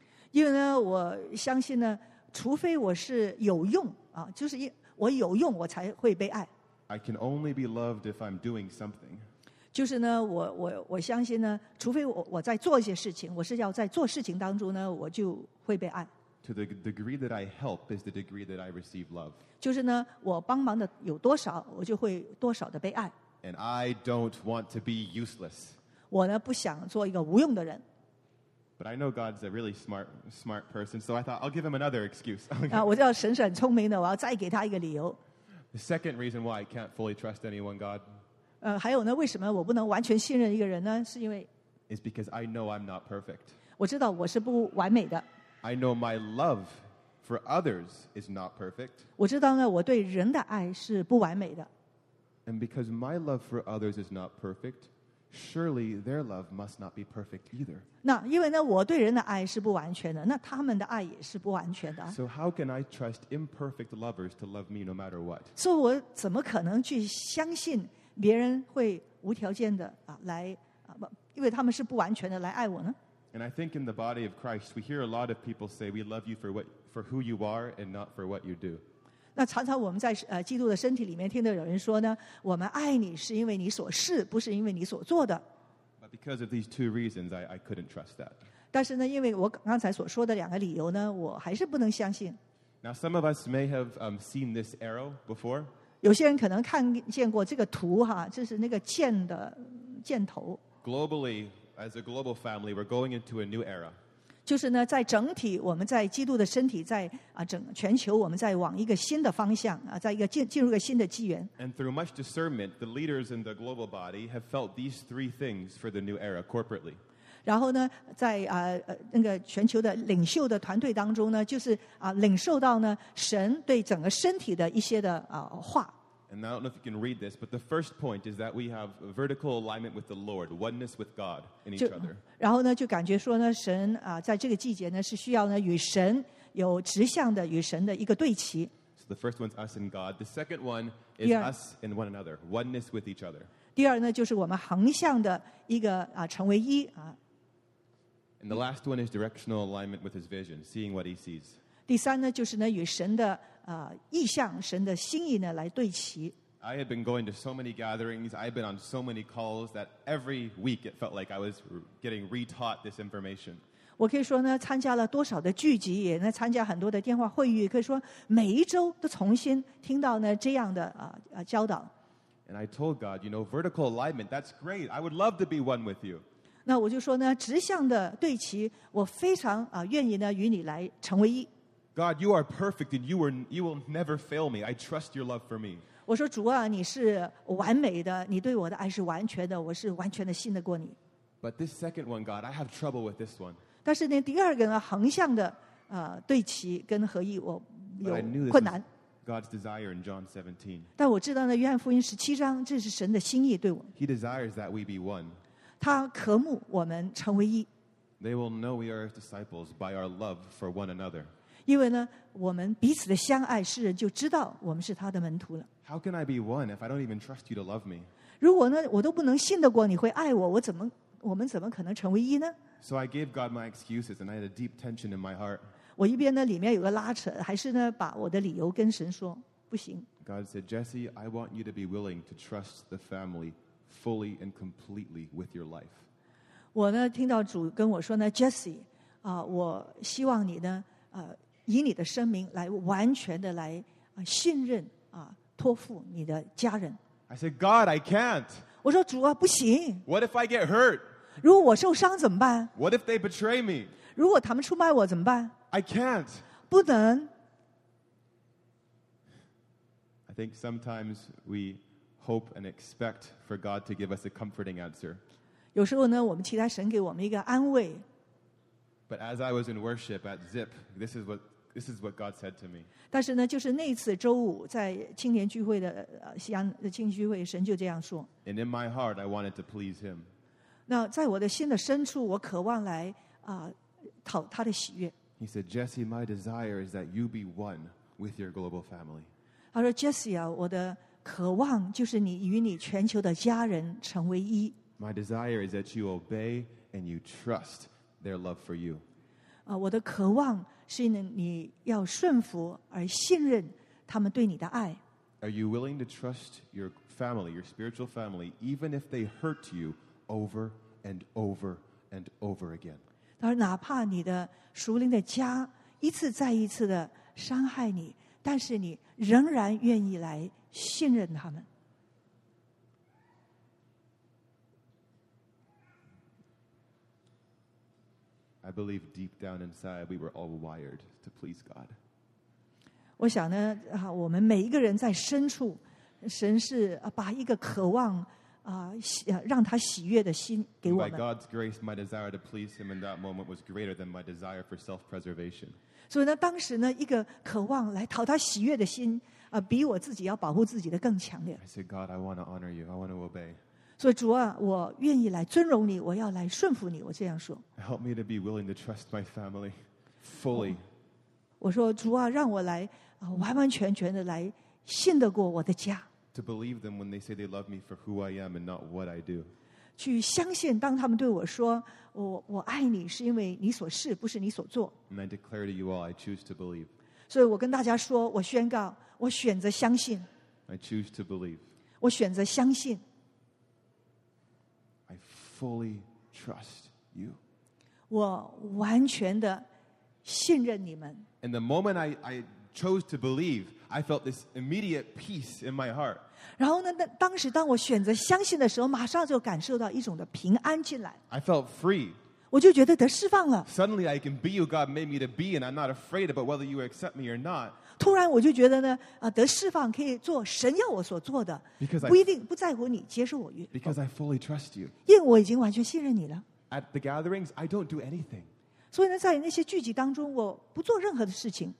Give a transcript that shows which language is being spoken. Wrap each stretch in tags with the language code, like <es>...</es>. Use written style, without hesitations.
<zh>因为呢，我相信呢，除非我是有用啊，就是我有用，我才会被爱。</zh> <en>I can only be loved if I'm doing something.</en> <zh>就是呢，我相信呢，除非我在做一些事情，我是要在做事情当中呢，我就会被爱。</zh> <en>To the degree that I help is the degree that I receive love.</en> <zh>就是呢，我帮忙的有多少，我就会多少的被爱。</zh> <en>And I don't want to be useless.</en> <zh>我呢不想做一个无用的人。</zh> <en>But I know God's a really smart person, so I thought I'll give him another excuse.</en> <zh>我知道神是很聪明的，我要再给他一个理由。</zh> <en>The second reason why I can't fully trust anyone, God.</en> <zh>还有呢，为什么我不能完全信任一个人呢？是因为</zh> <en>is because I know I'm not perfect.</en> <zh>我知道我是不完美的。</zh> <en>I know my love for others is not perfect.</en> <zh>我知道呢，我对人的爱是不完美的。</zh> <en>And because my love for others is not perfect, surely their love must not be perfect either.</en> <zh>那因为呢，我对人的爱是不完全的，那他们的爱也是不完全的。</zh> <en>So how can I trust imperfect lovers to love me no matter what?</en> <zh>所以我怎么可能去相信别人会无条件的来因为他们是不完全的来爱我呢？</zh> <en>And I think in the body of Christ, we hear a lot of people say we love you for who you are and not for what you do.</en> <zh>那常常我们在基督的身体里面听到有人说呢，我们爱你是因为你所是，不是因为你所做的。</zh> <en>But because of these two reasons, I couldn't trust that.</en> <zh>但是呢，因为我刚才所说的两个理由呢，我还是不能相信。</zh> <en>Now some of us may have seen this arrow before.</en> <zh>有些人可能看见过这个图哈，这是那个箭的箭头。</zh> <en>Globally, as a global family, we're going into a new era.</en> <zh>就是呢，在整体，我们在基督的身体，在整全球，我们在往一个新的方向在一个进入一个新的纪元。</zh> <en>And through much discernment, the leaders in the global body have felt these three things for the new era corporately.</en> <zh>然后呢，在那个全球的领袖的团队当中呢，就是领受到呢神对整个身体的一些的话。</zh> <en>And I don't know if you can read this, but the first point is that we have vertical alignment with the Lord, oneness with God in each other.</en> <zh>然后呢，就感觉说呢，神在这个季节呢是需要呢与神有直向的与神的一个对齐。</zh> <en>So the first one's us and God. The second one is us and one another, oneness with each other.</en> <zh>第二呢，就是我们横向的一个成为一</zh> <en>And the last one is directional alignment with His vision, seeing what He sees.</en> <zh>第三呢，就是呢与神的意向神的心意呢来对齐。</zh> <en>I had been going to so many gatherings. I've been on so many calls that every week it felt like I was getting retaught this information.</en> <zh>我可以说呢，参加了多少的聚集，也呢参加很多的电话会议，可以说每一周都重新听到呢这样的教导。</zh> <en>And I told God, you know, vertical alignment, that's great. I would love to be one with you.</en> <zh>那我就说呢，直向的对齐，我非常愿意呢与你来成为一。</zh> <en>God, you are perfect, and you will never fail me. I trust your love for me.</en> <zh>我说主啊，你是完美的，你对我的爱是完全的，我是完全的信得过你。</zh> <en>But this second one, God, I have trouble with this one.</en> <zh>但是呢，第二个呢，横向的对齐跟合一，我有困难。</zh> <en>God's desire in John 17.</en> <zh>但我知道呢，约翰福音十七章，这是神的心意对我。</zh> <en>He desires that we be one.</en> <zh>他渴慕我们成为一。</zh> <en>They will know we are His disciples by our love for one another.</en> <zh>因为呢，我们彼此的相爱，世人就知道我们是他的门徒了。</zh> <en>How can I be one if I don't even trust you to love me?</en> <zh>如果呢，我都不能信得过你会爱我，我们怎么可能成为一呢</zh> <en>？So I gave God my excuses, and I had a deep tension in my heart.</en> <zh>我一边呢，里面有个拉扯，还是呢，把我的理由跟神说，不行。</zh> <en>God said, Jesse, I want you to be willing to trust the family fully and completely with your life.</en> <zh>我呢，听到主跟我说呢 ，Jesse。我希望你呢，以你的生命来完全的来信任托付你的家人。</zh> <en>I said, God, I can't.</en> <zh>我说主啊，不行。</zh> <en>What if I get hurt?</en> <zh>如果我受伤怎么办</zh> <en>？What if they betray me?</en> <zh>如果他们出卖我怎么办</zh> <en>？I can't.</en> <zh>不能。</zh> <en>I think sometimes we hope and expect for God to give us a comforting answer.</en> <zh>有时候呢，我们期待神给我们一个安慰。</zh> <en>But as I was in worship at Zip, this is what God said to me.</en> <zh>但是呢，就是那次周五在青年聚会的西安的青年聚会，神就这样说。</zh> <en>And in my heart, I wanted to please Him.</en> <zh>那在我的心的深处，我渴望来讨他的喜悦。</zh> <en>He said, Jesse, my desire is that you be one with your global family.</en> <zh>他说 ，Jesse 啊，我的渴望就是你与你全球的家人成为一。</zh> <en>My desire is that you obey and you trust their love for you.</en> <zh>我的渴望是你要顺服而信任他们对你的爱。</zh> <en>Are you willing to trust your family, your spiritual family, even if they hurt you over and over and over again?</en> <zh>他说，哪怕你的属灵的家一次再一次的伤害你，但是你仍然愿意来信任他们。</zh> <en>I believe deep down inside we were all wired to please God.</en> <zh>我想呢，我们每一个人在深处，神是把一个渴望让他喜悦的心给我们。</zh> <en>By God's grace, my desire to please Him in that moment was greater than my desire for self-preservation.</en> <zh>所以呢，当时呢，一个渴望来讨他喜悦的心比我自己要保护自己的更强烈。</zh> <en>I said, God, I want to honor you. I want to obey.</en> <zh>所以主啊，我愿意来尊荣你，我要来顺服你，我这样说。</zh> <en>Help me to be willing to trust my family fully.</en> <zh>我说主啊，让我来完完全全的来信得过我的家。</zh> <en>To believe them when they say they love me for who I am and not what I do.</en> <zh>去相信当他们对我说我爱你是因为你所是，不是你所做。</zh> <en>And I declare to you all, I choose to believe.</en> <zh>所以我跟大家说，我宣告，我选择相信。</zh> <en>I choose to believe.</en> <zh>我选择相信。</zh> <en>I fully trust you.</en> <zh>我完全的信任你们。</zh> <en>And the moment I chose to believe, I felt this immediate peace in my heart.</en> <zh>然后呢，当时当我选择相信的时候，马上就感受到一种的平安进来。</zh> <en>I felt free.</en> <zh>我就觉得得释放了。</zh> <en>Suddenly I can be who God made me to be, and I'm not afraid about whether you accept me or not.</en> <zh>突然我就觉得呢，得释放，可以做神要我所做的。</zh> <en>Because</en> <zh>不一定不在乎你接受我。</zh> <en>Because I fully trust you.</en> <zh>因为我已经完全信任你了。</zh> <en>At the gatherings, I don't do anything.</en> <zh>所以呢，在那些聚集当中，我不做任何的事情。</zh>